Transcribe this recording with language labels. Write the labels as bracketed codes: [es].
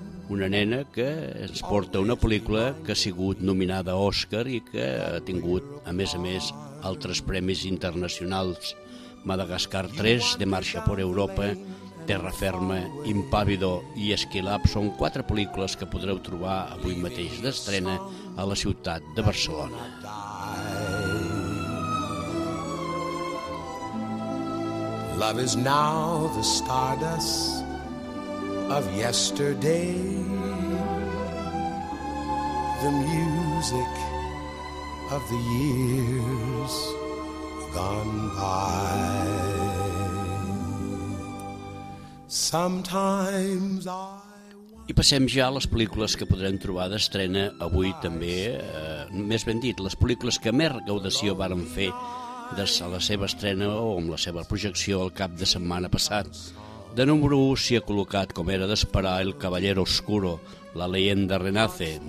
[ca] Una nena que ens porta una pel·lícula que ha sigut nominada a Òscar i que ha tingut, a més, altres premis internacionals. Madagascar 3, De marxa per Europa, Terra Ferma, Impàvido i Esquilap són quatre pel·lícules que podreu trobar avui mateix d'estrena a la ciutat de Barcelona. [en] Love is now the stardust of yesterday, the music of the years gone by. Sometimes I... [ca] I passem ja a les pel·lícules que podrem trobar d'estrena avui també, més ben dit, les pel·lícules que més recaudació varen fer de la seva estrena o amb la seva projecció el cap de setmana passat. De número 1 s'hi ha col·locat, com era d'esperar, El Caballero Oscuro, La Leyenda Renace.